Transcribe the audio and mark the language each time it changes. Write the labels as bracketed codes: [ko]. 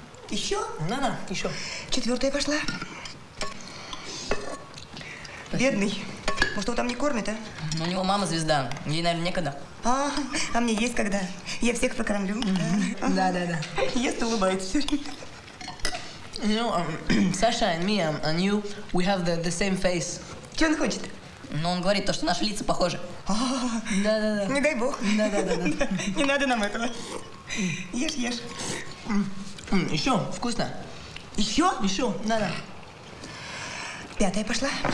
[ru] Еще? На-на, еще. Четвертая пошла. Бедный. Может, его там не кормят, а? Ну, у него мама звезда. Ей, наверное, некогда. А мне есть когда. Я всех покормлю. Да-да-да. Ест и улыбается все время. [en] You know, Sasha and me, and you, we have the same face. [ru] Что он хочет? Ну, он говорит то, что наши лица похожи. Да-да-да. Не дай бог. Да-да-да. Не надо нам этого. Ешь. Еще? Вкусно. Еще? Еще. Да-да. Пятая пошла.